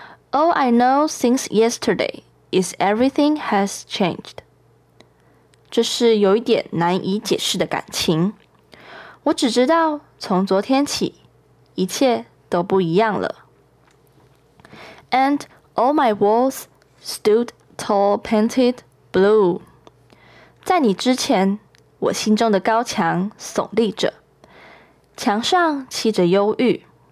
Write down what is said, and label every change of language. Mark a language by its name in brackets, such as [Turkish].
[English] All I know since yesterday is everything has changed. [Chinese] 这是有一点难以解释的感情。我只知道从昨天起一切都不一样了。 [English] And all my walls stood tall painted blue. [Chinese] 在你之前我心中的高墙耸立着，墙上砌着忧郁。